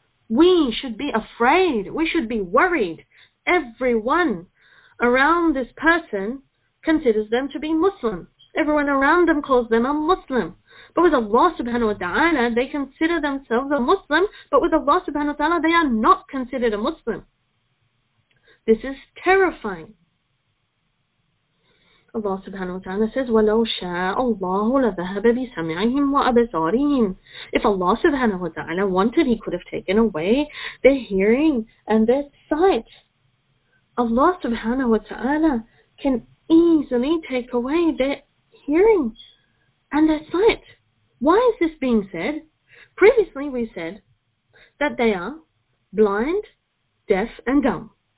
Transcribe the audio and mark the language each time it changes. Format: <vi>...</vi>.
<en>We should be afraid. We should be worried. Everyone around this person considers them to be Muslim. Everyone around them calls them a Muslim. But with Allah subhanahu wa ta'ala, they consider themselves a Muslim, but with Allah subhanahu wa ta'ala, they are not considered a Muslim. This is terrifying. Allah subhanahu wa ta'ala says,</en> <ar>وَلَوْ شَاءَ اللَّهُ لَذَهَبَ بِسَمِعِهِمْ وَأَبْصَارِهِمْ.</ar> <en>If Allah subhanahu wa ta'ala wanted, He could have taken away their hearing and their sight. Allah subhanahu wa ta'ala can easily take away their hearing and their sight. Why is this being said? Previously we said that they are blind, deaf and dumb.</en>